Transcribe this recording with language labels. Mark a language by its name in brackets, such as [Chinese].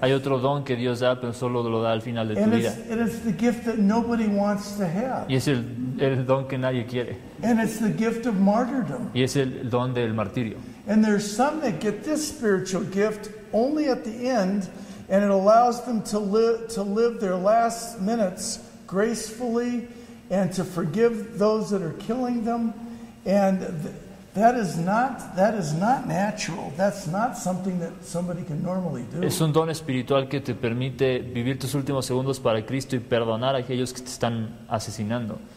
[Spanish] Hay otro don que Dios da, pero solo lo da al final de tu [English] and [Spanish] vida. [English] And it's the gift that nobody wants to have. [Spanish] Y es el don que nadie quiere. [English] And it's the gift of martyrdom. [Spanish] Y es el don del martirio. [English] And there's some that get this spiritual gift only at the end, and it allows them to live their last minutes gracefully and to forgive those that are killing them. And that is not natural. That's not something that somebody can normally do. [Spanish] Es un don espiritual que te permite vivir tus últimos segundos para Cristo y perdonar a aquellos que te están asesinando.